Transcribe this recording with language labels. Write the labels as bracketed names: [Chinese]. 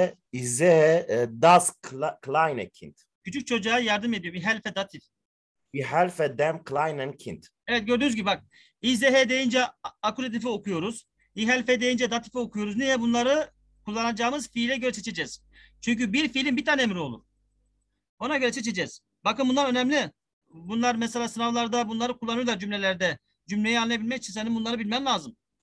[German] Ich sehe das kleine Kind. [Turkish] Küçük çocuğa yardım ediyor, [German] ich helfe dativ. Ich helfe dem kleinen Kind. [Turkish] Evet, gördüğünüz gibi bak, [German] ich sehe [Turkish] deyince akkusativi okuyoruz. [German] Ich helfe [Turkish] deyince datif okuyoruz. Niye? Bunları kullanacağımız fiile göre seçeceğiz. Çünkü bir fiilin bir tane emri olur. Ona göre seçeceğiz. Bakın bunlar önemli. Bunlar mesela sınavlarda bunları kullanıyorlar cümlelerde. Cümleyi anlayabilmek için senin bunları bilmen lazım.